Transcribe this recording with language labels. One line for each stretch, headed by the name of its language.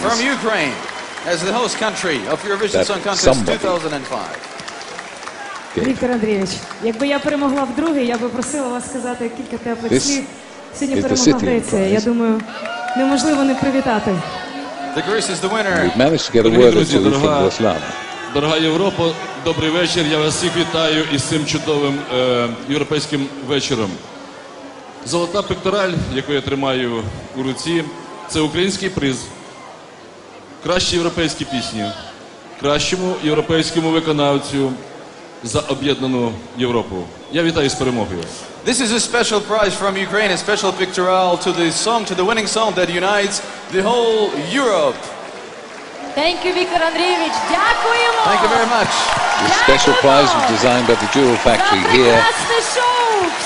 English: from Ukraine, as the host country of Eurovision Song Contest 2005.
Ukrainian: Віктор Андрійович, якби я перемогла вдруге, я би просила вас сказати кілька теплих слів. Сьогодні перемогла Греція. Я думаю, неможливо не привітати.
English: The Greece is the winner. We've managed to get a word into Lufthansa Ruslana.
Ukrainian: Дорога Європа, добрий вечір. Я вас всіх вітаю із цим чудовим європейським вечором. Золота пектораль, яку я тримаю у руці, це український приз. Кращі європейські пісні. Кращому європейському виконавцю за об'єднану Європу. Я вітаю з перемогою.
English: This is a special prize from Ukraine, a special pictorial to the song, to the winning song that unites the whole Europe. Thank you, Viktor Andreevich.
Ukrainian: Дякуємо.
English: Thank you very much. This special prize was designed by the Jewel Factory here.